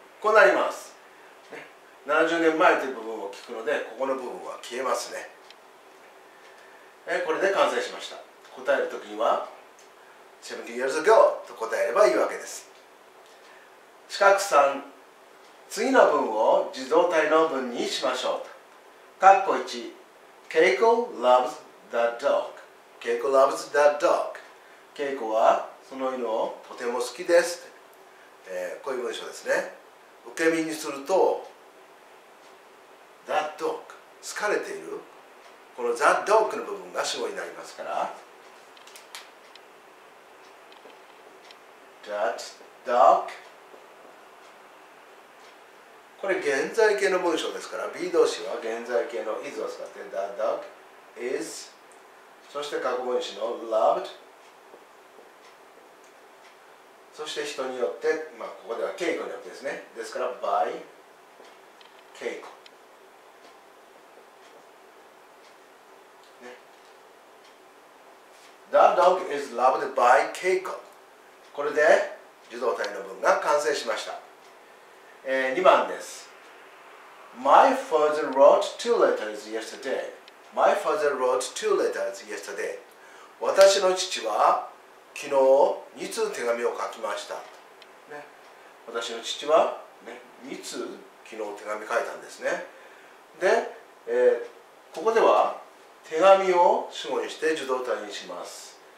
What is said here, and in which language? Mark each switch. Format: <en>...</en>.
<ja>こうなります、ね、70年前という部分を聞くのでここの部分は消えますね。これで完成しました。答えるときには</ja> <en>70 years ago</en> <ja>と答えればいいわけです。四角さん、次の文を受動態の文にしましょう。</ja> <en>カッコ1 Keiko loves the dog. Keiko loves the dog.</en> <ja>Keiko はその犬をとても好きです、こういう文章ですね。受け身にすると</ja> <en>That dog</en> <ja>疲れている。この</ja> <en>That dog</en> <ja>の部分が主語になりますから</ja> <en>That dog。</en> <ja>これ現在形の文章ですから B 動詞は現在形の is を使って</ja> <en>That dog is、</en> <ja>そして過去分詞の</ja> <en>loved、</en> <ja>そして人によって、まあ、ここでは Keiko によってですね、ですから</ja> <en>by Keiko、</en> <ja>ね、</ja> <en>That dog is loved by Keiko。</en> <ja>これで受動態の文が完成しました、2番です。</ja> <en>My father wrote two letters yesterday. My father wrote two letters yesterday.</en> <ja>私の父は昨日2通手紙を書きました。ね、私の父は、ね、2通昨日手紙書いたんですね。で、ここでは手紙を主語にして受動態にします。</ja>